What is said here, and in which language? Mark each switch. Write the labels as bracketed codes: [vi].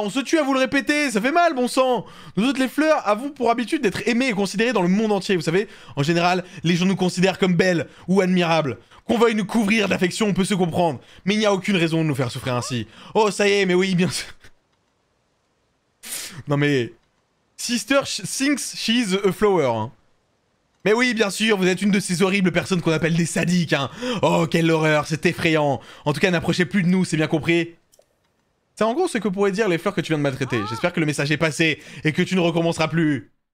[fr] On se tue à vous le répéter! Ça fait mal bon sang! Nous autres les fleurs avons pour habitude d'être aimées et considérées dans le monde entier, vous savez. En général, les gens nous considèrent comme belles ou admirables. Qu'on veuille nous couvrir d'affection, on peut se comprendre. Mais il n'y a aucune raison de nous faire souffrir ainsi. Oh, ça y est, mais oui, bien sûr. Non, mais... [en] Sister thinks she's a flower. [fr] Hein. Mais oui, bien sûr, vous êtes une de ces horribles personnes qu'on appelle des sadiques. Hein. Oh, quelle horreur, c'est effrayant. En tout cas, n'approchez plus de nous, c'est bien compris. C'est en gros ce que pourraient dire les fleurs que tu viens de maltraiter. J'espère que le message est passé et que tu ne recommenceras plus.